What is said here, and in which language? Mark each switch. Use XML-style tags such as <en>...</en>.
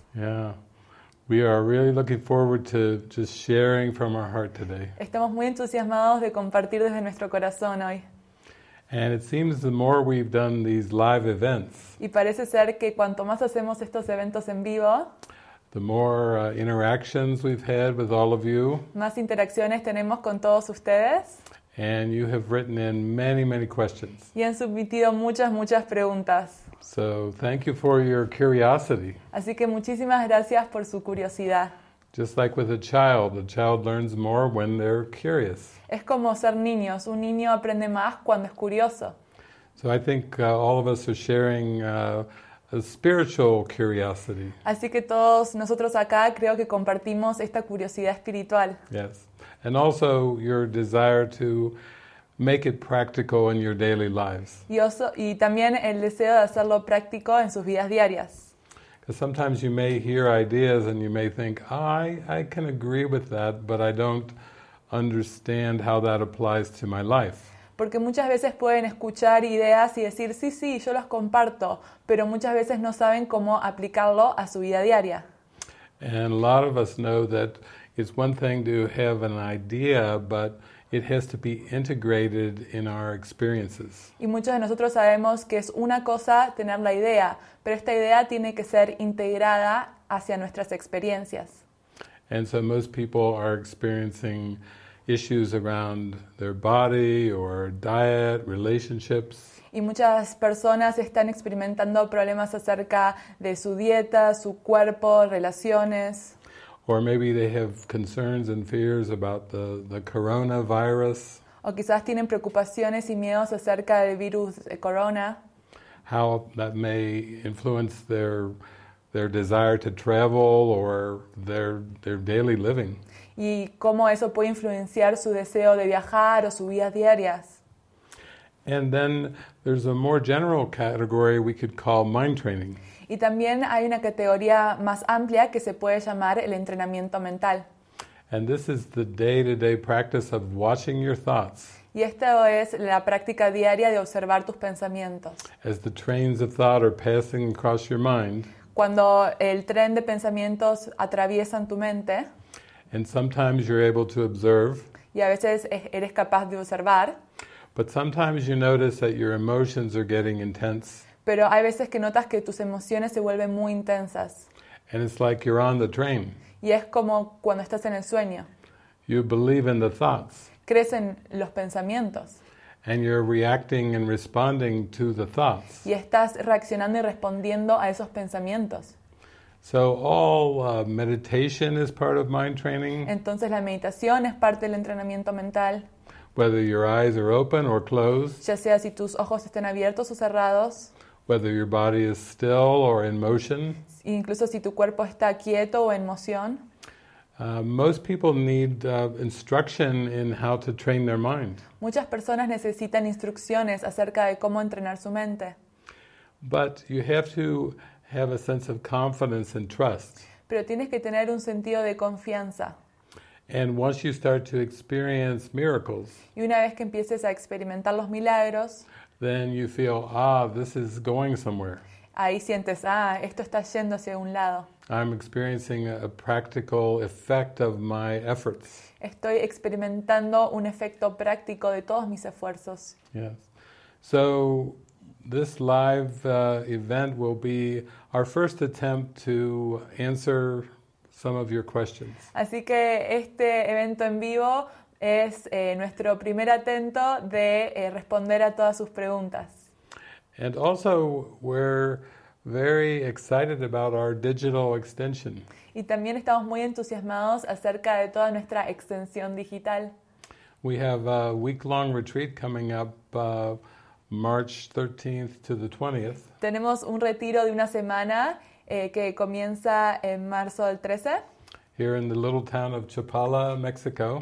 <en>Yeah, we are really looking forward to just sharing from our heart today.</en> <es>Estamos muy entusiasmados de compartir desde nuestro corazón hoy.</es> <en>And it seems the more we've done these live events,</en> <es>y parece ser que cuanto más hacemos estos eventos en vivo,</es> <en>the more interactions we've had with all of you,</en> <es>más interacciones tenemos con todos ustedes.</es> <en>And you have written in many, many questions.</en> <es>Y han submitido muchas, muchas preguntas.</es> <en>So thank you for your curiosity.</en> <es>Así que muchísimas gracias por su curiosidad.</es> <en>Just like with a child learns more when they're curious.</en> <es>Es como ser niños. Un niño aprende más cuando es curioso.</es> <en>So I think all of us are sharing a spiritual curiosity.</en> <es>Así que todos nosotros acá creo que compartimos esta curiosidad espiritual.</es> <en>Yes. And also your desire to make it practical in your daily lives.</en> <es>Y también el deseo de hacerlo práctico en sus vidas diarias.</es> <en>Because sometimes you may hear ideas and you may think, I can agree with that, but I don't understand how that applies to my life.</en> <es>Porque muchas veces pueden escuchar ideas y decir, sí, sí, yo las comparto, pero muchas veces no saben cómo aplicarlo a su vida diaria.</es> <en>And a lot of us know that it's one thing to have an idea, but it has to be integrated in our experiences.</en> <es>Y muchos de nosotros sabemos que es una cosa tener la idea, pero esta idea tiene que ser integrada hacia nuestras experiencias.</es> <en>And so most people are experiencing issues around their body or diet, relationships.</en> <es>Y muchas personas están experimentando problemas acerca de su dieta, su cuerpo, relaciones.</es> <en>Or maybe they have concerns and fears about the coronavirus.</en> <es>O quizás tienen preocupaciones y miedos acerca del virus de corona.</es> <en>How that may influence their desire to travel or their daily living.</en> <es>Y cómo eso puede influenciar su deseo de viajar o su vida diaria.</es> <en>And then there's a more general category we could call mind training.</en> <es>Y también hay una categoría más amplia que se puede llamar el entrenamiento mental.</es> <en>And this is the day-to-day practice of watching your thoughts.</en> <es>Y esta es la práctica diaria de observar tus pensamientos.</es> <en>As the trains of thought are passing across your mind.</en> <es>Cuando el tren de pensamientos atraviesan tu mente.</es> <en>And sometimes you're able to observe.</en> <es>Y a veces eres capaz de observar.</es> <en>But sometimes you notice that your emotions are getting intense.</en> <es>Pero hay veces que notas que tus emociones se vuelven muy intensas.</es> <en>And it's like you're on the train.</en> <es>Y es como cuando estás en el sueño.</es> <en>You believe in the thoughts.</en> <es>Crees en los pensamientos.</es> <en>And you're reacting and responding to the thoughts.</en> <es>Y estás reaccionando y respondiendo a esos pensamientos.</es> <en>So all meditation is part of mind training.</en> <es>Entonces la meditación es parte del entrenamiento mental.</es> <en>Whether your eyes are open or closed.</en> <es>Ya sea si tus ojos estén abiertos o cerrados.</es> <en>Whether your body is still or in motion.</en> <es>Incluso si tu cuerpo está quieto o en moción.</es> <en>Most people need instruction in how to train their mind.</en> <es>Muchas personas necesitan instrucciones acerca de cómo entrenar su mente.</es> <en>But you have to have a sense of confidence and trust.</en> <es>Pero tienes que tener un sentido de confianza.</es> <en>And once you start to experience miracles,</en> <es>y una vez que empieces a experimentar los milagros,</es> <en>then you feel, this is going somewhere.</en> <es>Ahí sientes, esto está yendo hacia un lado.</es> <en>I'm experiencing a practical effect of my efforts.</en> <es>Estoy experimentando un efecto práctico de todos mis esfuerzos.</es> <en>Yes. So this live event will be our first attempt to answer some of your questions.</en> <es>Así que este evento en vivo es nuestro primer intento de responder a todas sus preguntas.</es> <en>And also we're very excited about our digital extension.</en> <es>Y también estamos muy entusiasmados acerca de toda nuestra extensión digital.</es> <en>We have a week-long retreat coming up March 13th to the 20th.</en> <es>Tenemos un retiro de una semana que comienza en marzo del 13.</es> <en>Here in the little town of Chapala, Mexico.</en>